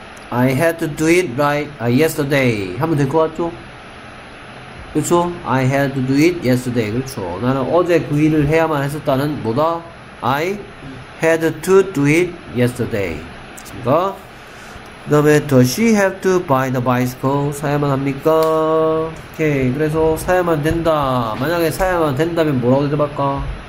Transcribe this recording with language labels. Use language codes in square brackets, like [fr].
[en] I had to do it right yesterday [ko] 하면 될 것 같죠? 그쵸? [en] I had to do it yesterday. [ko] 그쵸? 나는 어제 그 일을 해야만 했었다는 뭐다? [en] I had to do it yesterday. [ko] 됐습니까? 그 다음에 [en] Does she have to buy the bicycle? [ko] 사야만 합니까? 오케이. 그래서 사야만 된다. 만약에 사야만 된다면 뭐라고 대답할까?